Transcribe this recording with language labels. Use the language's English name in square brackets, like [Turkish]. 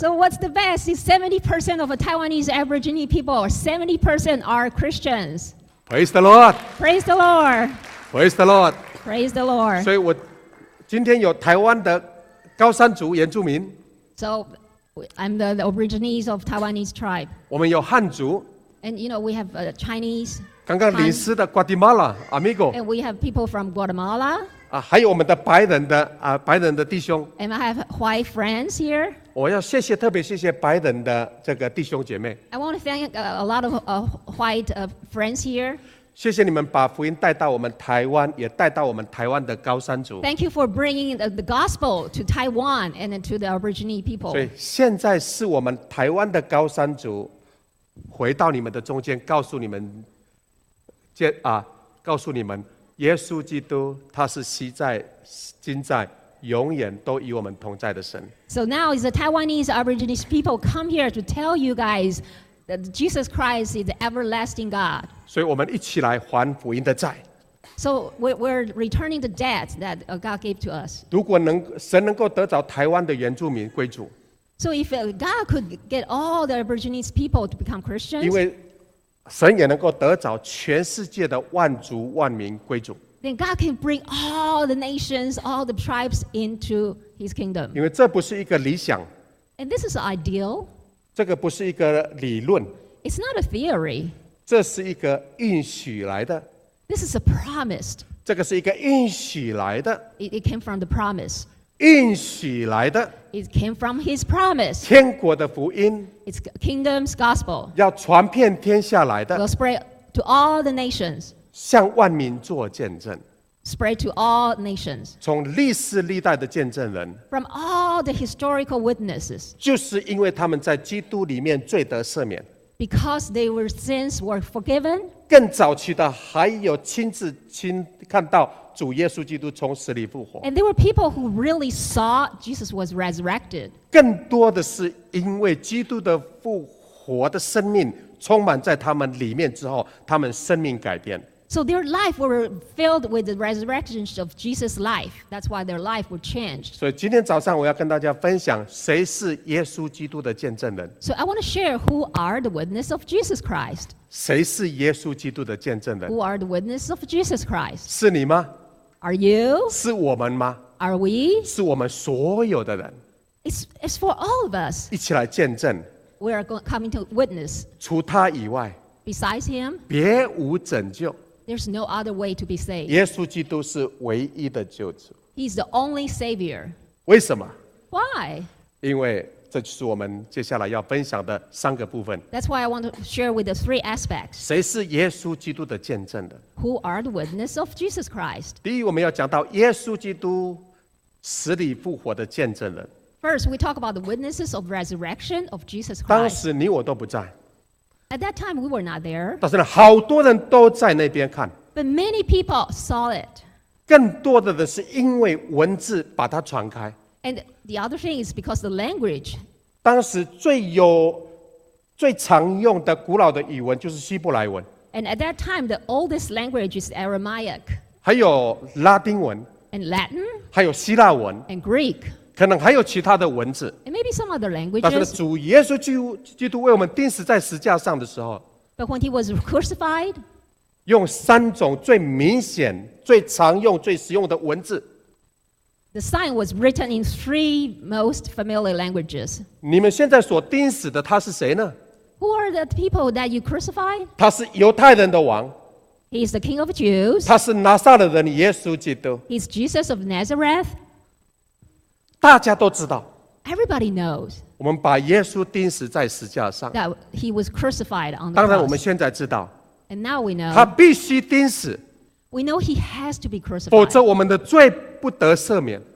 [English] So what's the best is 70% of Taiwanese Aborigine people, 70% are Christians. Praise the Lord. Praise the Lord. Praise the Lord. Praise the Lord. [Chinese] 所以我今天有台湾的高山族原住民。 [English] So I'm the Aborigines of Taiwanese tribe. [Chinese] 我们有汉族。 [English] And you know we have Chinese. [Chinese] 刚刚领诗的 Guatemala, amigo. [English] And we have people from Guatemala. [Chinese] 还有我们的白人的弟兄。 [English] And I have white friends here. [Chinese] 我要谢谢，特别谢谢白人的这个弟兄姐妹。 [English] I want to thank a lot of white friends here. [Chinese] 谢谢你们把福音带到我们台湾，也带到我们台湾的高山族。 [English] Thank you for bringing the gospel to Taiwan and to the Aborigine people. [Chinese] 所以现在是我们台湾的高山族回到你们的中间，告诉你们，告诉你们。耶稣基督，他是昔在、今在、永远都与我们同在的神。 [English] So now is the Taiwanese Aborigines people come here to tell you guys that Jesus Christ is the everlasting God. [Chinese] 所以我们一起来还福音的债。 [English] So we're returning the debt that God gave to us. [Chinese] 如果神能够得着台湾的原住民归主。 [English] So if God could get all the Aborigines people to become Christians. [Chinese] 因为神也能够得着全世界的万族万民归主。 [English] Then God can bring all the nations, all the tribes into His kingdom. [Chinese] 因为这不是一个理想。 [English] And this is ideal. [Chinese] 这个不是一个理论。 [English] It's not a theory. [Chinese] 这是一个应许来的。 [English] This is a promised. [Chinese] 这个是一个应许来的。 [English] It came from the promise. [Chinese] 应许来的。 [English] It came from His promise. [Chinese] 天国的福音。 [English] It's kingdom's gospel. [Chinese] 要传遍天下来的。 [English] Will spread to all the nations. [Chinese] 向万民做见证。 [English] Spread to all nations. [Chinese] 从历史历代的见证人。 [English] From all the historical witnesses. [Chinese] 就是因为他们在基督里面罪得赦免。 [English] Because their sins were forgiven. [Chinese] 更早期的还有亲自亲看到主耶稣基督从死里复活。 [English] And there were people who really saw Jesus was resurrected. [Chinese] 更多的是因为基督的复活的生命充满在他们里面之后，他们生命改变。 [English] So their life were filled with the resurrection of Jesus' life. That's why their life were changed. [Chinese] 所以今天早上我要跟大家分享谁是耶稣基督的见证人。 [English] So I want to share who are the witness of Jesus Christ. [Chinese] 谁是耶稣基督的见证人。 [English] Who are the witness of Jesus Christ? [Chinese] 是你吗？ [English] Are you? [Chinese] 是我们吗？ [English] Are we? [Chinese] 是我们所有的人。 [English] It's for all of us. [Chinese] 一起来见证。 [English] We are coming to witness. [Chinese] 除他以外。 [English] Besides him. [Chinese] 别无拯救。 [English] There's no other way to be saved. [Chinese] 耶稣基督是唯一的救主。 [English] He's the only savior. [Chinese] 为什么？ [English] Why? [Chinese] 因为这就是我们接下来要分享的三个部分。 [English] That's why I want to share with the three aspects. [Chinese] 谁是耶稣基督的见证人？ [English] Who are the witness of Jesus Christ? [Chinese] 第一，我们要讲到耶稣基督死里复活的见证人。 [English] First, we talk about the witnesses of resurrection of Jesus Christ. [Chinese] 当时你我都不在。 [English] At that time, we were not there. [Chinese] 但是呢，好多人都在那边看。 [English] But many people saw it. [Chinese] 更多的是因为文字把它传开。 [English] And the other thing is because the language. [Chinese] 当时最常用的古老的语文就是希伯来文。 [English] And at that time, the oldest language is Aramaic. [Chinese] 还有拉丁文。 [English] And Latin. [Chinese] 还有希腊文。 [English] And Greek. [Chinese] 可能还有其他的文字。 [English] And maybe some other languages. [Chinese] 但是主耶稣基督为我们钉死在十字架上的时候， [English] But when he was crucified, [Chinese] 用三种最明显、最常用、最实用的文字。 [English] The sign was written in three most familiar languages. [Chinese] 你们现在所钉死的他是谁呢？ [English] Who are the people that you crucified? [Chinese] 他是犹太人的王。 [English] He is the king of Jews. [Chinese] 他是拿撒勒人耶稣基督。 [English] He is Jesus of Nazareth. [Chinese] 大家都知道。 [English] Everybody knows. [Chinese] 我们把耶稣钉死在十字架上。 [English] That he was crucified on the cross. [Chinese] 当然，我们现在知道。 [English] And now we know. [Chinese] 他必须钉死。 [English] We know he has to be crucified. [Chinese] 否则，我们的罪不得赦免。